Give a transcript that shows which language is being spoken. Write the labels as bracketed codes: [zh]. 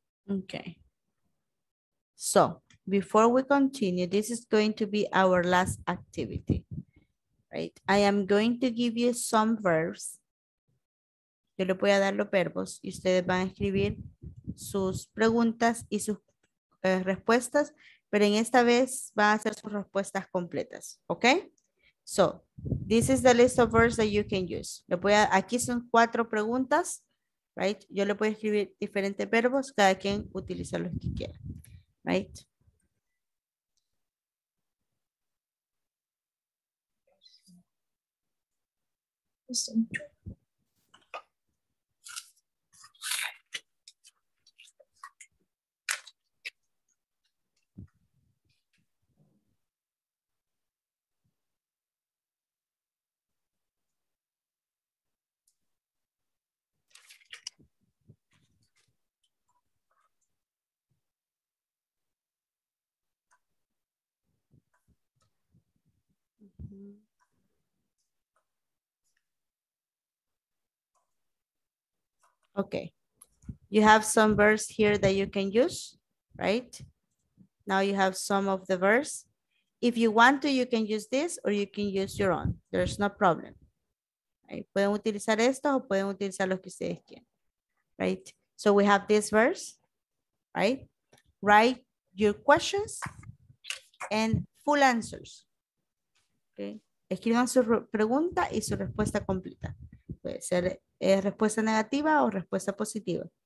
[en] Okay, so before we continue, this is going to be our last activity, right? I am going to give you some verbs. [es] Yo le voy a dar los verbos y ustedes van a escribir sus preguntas y sus respuestas, pero en esta vez van a ser sus respuestas completas, okay? [en] So this is the list of verbs that you can use. [es] Aquí son cuatro preguntas. [en] Right? [es] Yo le puedo escribir diferentes verbos, cada quien utiliza los que quiera. [en] Right? Okay, you have some verbs here that you can use, right? Now you have some of the verbs. If you want to, you can use this or you can use your own. There's no problem. Right? [es] Pueden utilizar esto o pueden utilizar los que ustedes quieran, [en] right? So we have this verse, right? Write your questions and full answers, okay? [es] Escriban su pregunta y su respuesta completa. Puede ser respuesta negativa o respuesta positiva.